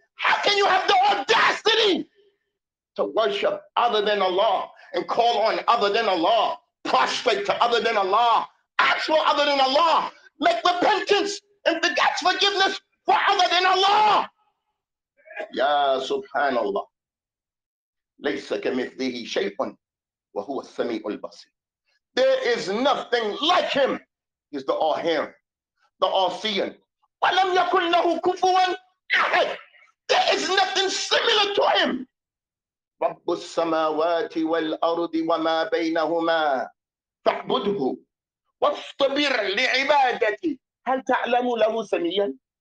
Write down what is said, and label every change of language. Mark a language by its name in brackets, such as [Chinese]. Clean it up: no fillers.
[English] How can you have the audacity to worship other than Allah and call on other than Allah, prostrate to other than Allah, ask for other than Allah, make repentance and beg forgiveness for other than Allah? [Arabic] Ya Subhanallah. ليس كمثله شيء وهو السميع البصير. [English] There is nothing like him. He's the all-hearing, the all-seeing. [Arabic] وَلَمْ يَكُنْ لَهُ كُفُوًا أَحَدٌ. [English] There is nothing similar to him. [Arabic] رَبُّ السَّمَاوَاتِ وَالْأَرْضِ وَمَا بَيْنَهُمَا فَاعْبُدْهُ وَاصْطَبِرْ لِعِبَادَتِهِ هَلْ تَعْلَمُ لَهُ سَمِيًّا.